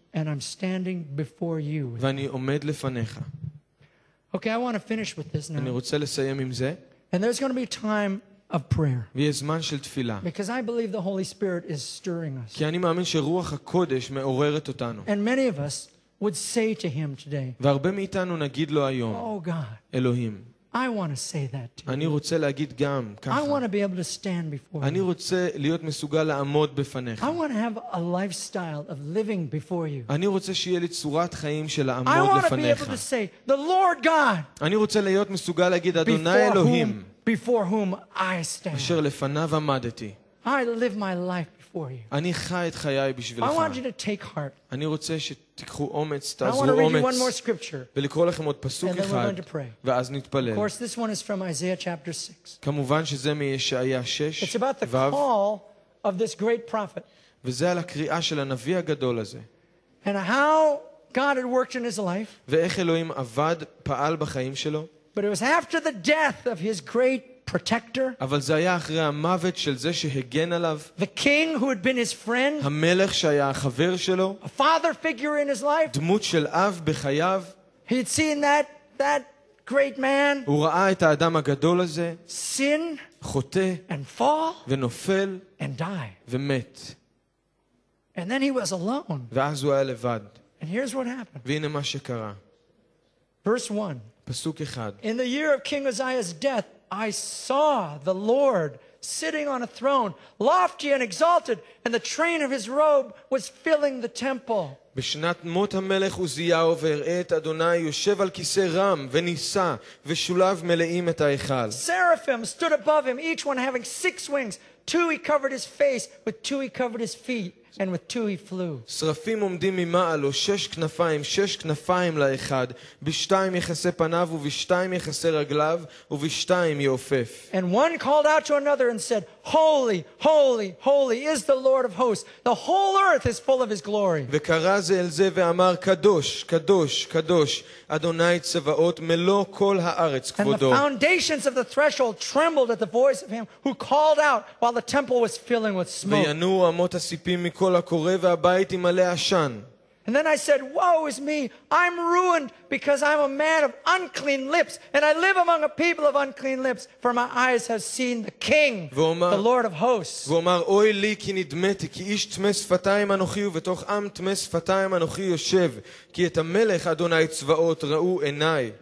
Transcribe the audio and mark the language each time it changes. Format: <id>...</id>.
<en>And I'm standing before you.</en> <he>ואני עומד לפניך.</he> <en>Okay, I want to finish with this now.</en> <he>אני רוצה לסיים עם זה.</he> <en>And there's going to be time of prayer.</en> <he>ויש זמן של תפילה.</he> <en>Because I believe the Holy Spirit is stirring us.</en> <he>כי אני מאמין שרוח הקודש מעוררת אותנו.</he> <en>And many of us would say to him today.</en> <he>והרבה מאיתנו נגיד לו היום.</he> <en>Oh God.</en> <he>אלוהים.</he> <en>I want to say that to you.</en> <he>אני רוצה להגיד גם ככה.</he> <en>I want to be able to stand before you.</en> <he>אני רוצה להיות מסוגל לעמוד בפניך.</he> <en>I want to have a lifestyle of living before you.</en> <he>אני רוצה שיהיה לי צורת חיים של לעמוד לפניך.</he> <en>I want to be able to say the Lord God.</en> <he>אני רוצה להיות מסוגל להגיד אדוני אלוהים.</he> <en>Before whom I stand.</en> <he>אשר לפניו עמדתי.</he> <en>I live my life before you.</en> <he>אני חי את חיי בשבילך.</he> <en>I want you to take heart.</en> <he>אני רוצה שתקחו אומץ, תעזרו אומץ.</he> <en>I want to read you one more scripture.</en> <he>ולקרוא לכם עוד פסוק אחד. ואז נתפלל.</he> <en>Of course, this one is from Isaiah chapter 6.</en> <he>כמובן שזה מישעיה 6.</he> <en>It's about the call of this great prophet.</en> <he>וזה על הקריאה של הנביא הגדול הזה.</he> <en>And how God had worked in his life.</en> <he>ואיך אלוהים עבד, פעל בחיים שלו.</he> <en>But it was after the death of his great protector</en> <he>אבל זה היה אחרי המוות של זה שהגן עליו</he> <en>the king who had been his friend</en> <he>המלך שהיה החבר שלו</he> <en>a father figure in his life</en> <he>דמות של אב בחייו</he> <en>he had seen that great man</en> <he>הוא ראה את האדם הגדול הזה</he> <en>sin</en> <he>חוטא</he> <en>and fall</en> <he>ונופל</he> <en>and die</en> <he>ומת</he> <en>and then he was alone</en> <he>ואז הוא היה לבד</he> <en>and here's what happened</en> <he>והנה מה שקרה</he> <en>verse 1</en> <he>פסוק 1</he> <en>in the year of king Uzziah's death I saw the Lord sitting on a throne, lofty and exalted, and the train of his robe was filling the temple.</en> <he>בשנת מות המלך עוזיהו והראה את אדוני יושב על כיסא רם ונישא ושולב מלאים את ההיכל.</he> <en>Seraphim stood above him, each one having six wings. Two he covered his face, with two he covered his feet, and with two he flew.</en> <he>שרפים עומדים ממעל, או שש כנפיים לאחד, בשתיים יחסה פניו, ובשתיים יחסה רגליו, ובשתיים יעופף.</he> <en>And one called out to another and said, Holy, holy, holy is the Lord of hosts. The whole earth is full of his glory.</en> <he>וקרא זה אל זה ואמר, קדוש, קדוש, קדוש, אדוני צבאות, מלוא כל הארץ, כבודו.</he> <en>And the foundations of the threshold trembled at the voice of him who called out, while the temple was filling with smoke.</en> <he>וינו אמות הסיפים מכל הקורא והבית עם מלא אשן.</he> <en>And then I said, woe is me, I'm ruined because I'm a man of unclean lips and I live among a people of unclean lips for my eyes have seen the king, the Lord of hosts.</en> <he>ואומר, אוי לי כי נדמתי, כי איש תמי שפתיים אנוכי ובתוך עם תמי שפתיים אנוכי יושב, כי את המלך אדוני צבאות ראו עיניי.</he>